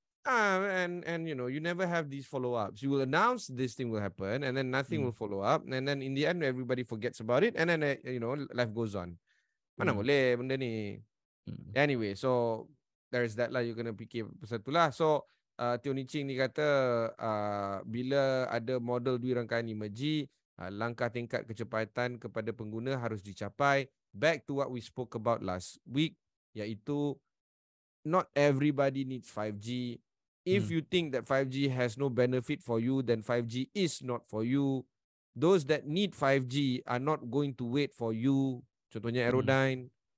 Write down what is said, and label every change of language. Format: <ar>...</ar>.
<en>And you know, you never have these follow-ups. You will announce this thing will happen and then nothing will follow up. And then in the end, everybody forgets about it. And then, you know, life goes on.</en> <ms>Mana boleh benda ni?</ms> <en>Anyway, so there is that lah. You're going to</en> <ms>fikir pasal tu lah. So, Tio Ni Ching ni kata, bila ada model Dui rangkaian 5G, langkah tingkat kecepatan kepada pengguna harus dicapai.</ms> <en>Back to what we spoke about last week, iaitu not everybody needs 5G. If you think that 5G has no benefit for you, then 5G is not for you. Those that need 5G are not going to wait for you. Contohnya Aerodyne.</en>